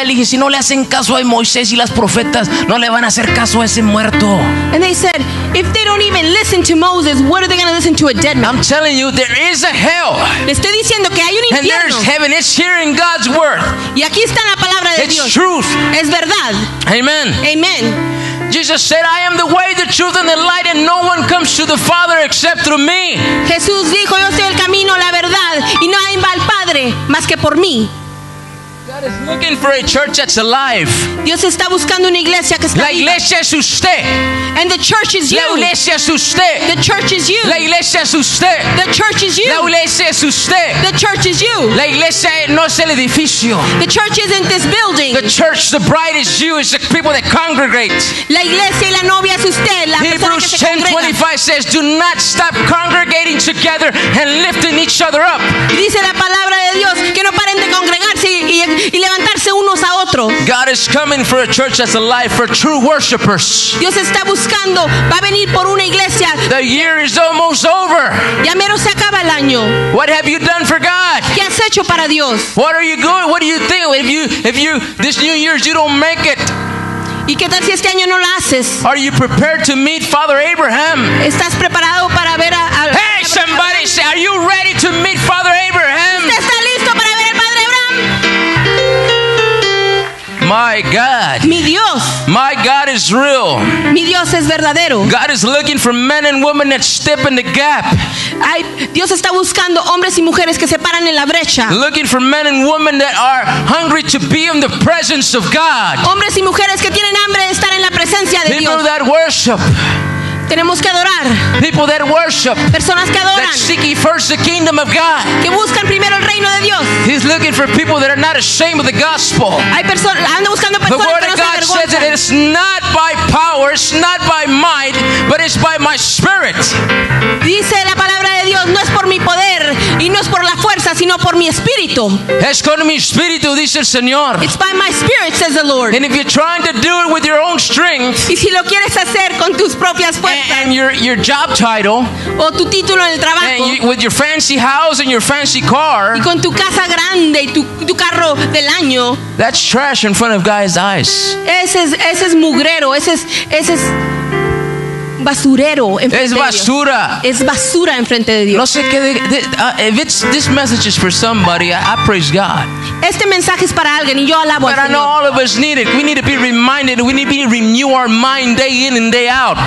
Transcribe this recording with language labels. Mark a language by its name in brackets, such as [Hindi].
[Spanish] Él dice, si no le hacen caso a Moisés y las profetas, no le van a hacer caso a ese muerto. [English] And they said, if they don't even listen to Moses, what are they going to listen to a dead man? I'm telling you, there is a hell. [Spanish] Le estoy diciendo que hay un infierno. [English] And there's heaven. It's here in God's word. [Spanish] Y aquí está la palabra de [English] it's [Spanish] Dios. [English] It's truth. [Spanish] Es verdad. Amen. Amen. [English] Jesus said, "I am the way, the truth, and the light, and no one comes to the Father except through me." [Spanish] Jesús dijo, "Yo soy el camino, la verdad, y no hay va al Padre más que por mí." [English] God is looking for a church that's alive. [Spanish] Dios está buscando una iglesia que está la iglesia Es usted. [English] And the church is you. [Spanish] La iglesia es usted. [English] The church is you. [Spanish] La iglesia es usted. [English] The church is you. [Spanish] La iglesia es usted. [English] The church is you. [Spanish] La iglesia no es el edificio. [English] The church isn't this building. The church, the bride is you. It's the people that congregate. [Spanish] La iglesia y la novia es usted. La [English] Hebrews 10:25 says, "Do not stop congregating together and lifting each other up." [Spanish] Dice la palabra de Dios que no paren de congregarse y levantarse unos a otros. [English] God is coming for a church that's alive, for true worshipers. [Spanish] Dios está buscando, va a venir por una iglesia. [English] The year is almost over. [Spanish] Ya mero se acaba el año. [English] What have you done for God? [Spanish] ¿Qué has hecho para Dios? [English] What are you going? What do you think? If you this New Year's you don't make it, [Spanish] ¿Y qué tal si este año no lo haces? [English] Are you prepared to meet Father Abraham? [Spanish] ¿Estás preparado para ver a [English] Hey, somebody say, are you ready to meet Father Abraham? [Spanish] ¿Usted está listo para ver al Padre Abraham? [English] My God. [Spanish] Mi Dios. [English] My God is real. [Spanish] Mi Dios es verdadero. [English] God is looking for men and women that step in the gap. [Spanish] Ay, Dios está buscando hombres y mujeres que se paran en la brecha. [English] Looking for men and women that are hungry to be in the presence of God. [Spanish] Hombres y mujeres que tienen hambre de estar en la presencia de [English] People People that worship. [Spanish] Tenemos que adorar. [English] People that worship. [Spanish] Personas que adoran. [English] That seek first the kingdom of God. [Spanish] Que buscan primero el reino de Dios. [English] He's looking for people that are not ashamed of the gospel. [Spanish] Hay personas, anda buscando personas que no se avergüenzan. [English] The word of God says that it's not by power, it's not by might, but it's by my spirit. [Spanish] Dice la palabra de Dios, no es por mi poder y no es por la fuerza, sino por mi espíritu. Es con mi espíritu, dice el Señor. [English] It's by my spirit, says the Lord. And if you're trying to do it with your own strength, [Spanish] y si lo quieres hacer con tus propias fuerzas, [English] and your job title, [Spanish] o tu título en el trabajo, [English] and with your fancy house and your fancy car, [Spanish] y con tu casa grande y tu carro del año, [English] that's trash in front of God's eyes. [Spanish] Ese es mugrero, ese es basurero en frente es basura. De Dios. Es basura en frente de Dios. No sé qué [English] if it's this message is for somebody, I praise God. [Spanish] Este mensaje es para alguien y yo alabo [English] But [Spanish] al Señor. [English] But I know all of us need it. We need to be reminded. We need to renew our mind day in and day out.